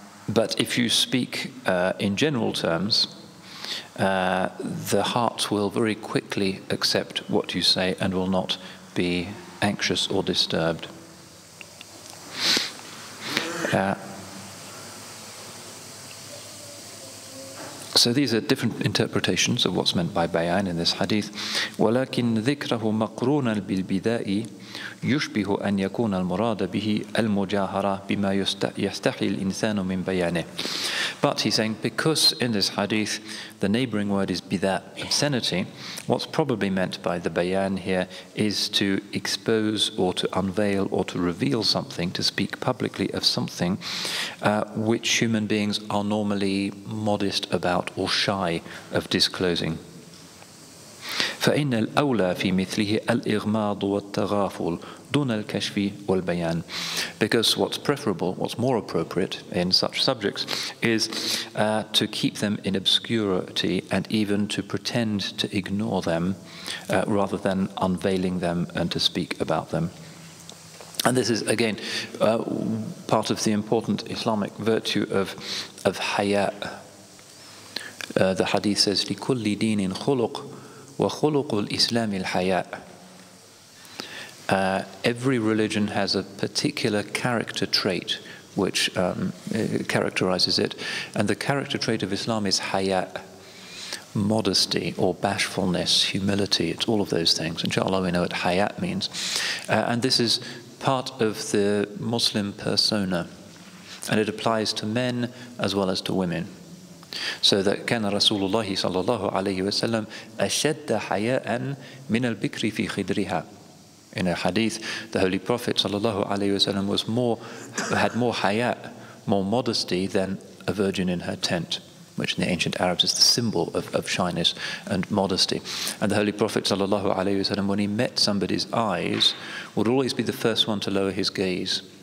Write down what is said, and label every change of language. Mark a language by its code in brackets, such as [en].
[en] But if you speak in general terms, the hearts will very quickly accept what you say and will not be anxious or disturbed. So these are different interpretations of what's meant by bayan in this hadith. [ar] ولكن ذكره مقرونا بالبذاء يشبه أن يكون المراد به المجاهرة بما يستحي الإنسان من بيانه. [en] But he's saying because in this hadith the neighboring word is bidha, obscenity, what's probably meant by the bayan here is to expose or to unveil or to reveal something, to speak publicly of something which human beings are normally modest about or shy of disclosing. [ar] فإن الأولى في مثله الإغماض والتغافل دون الكشف والبيان. [en] Because what's preferable, what's more appropriate in such subjects is to keep them in obscurity and even to pretend to ignore them rather than unveiling them and to speak about them. And this is again part of the important Islamic virtue of haya. The hadith says [ar] لِكُلِّ دِينٍ خُلُقٍ وَخُلُقُ الْإِسْلَامِ الْحَيَاءِ. [en] Every religion has a particular character trait which characterizes it. And the character trait of Islam is haya', modesty or bashfulness, humility. It's all of those things. Inshallah, we know what haya' means. And this is part of the Muslim persona. And it applies to men as well as to women. So that [ar] كان رسول الله صلى الله عليه وسلم أشد حياء من البكر في خدرها. [en] In a hadith, the Holy Prophet [ar] صلى الله عليه وسلم [en] had more حياء, more modesty than a virgin in her tent, which in the ancient Arabs is the symbol of shyness and modesty. And the Holy Prophet [ar] صلى الله عليه وسلم, [en] when he met somebody's eyes, would always be the first one to lower his gaze.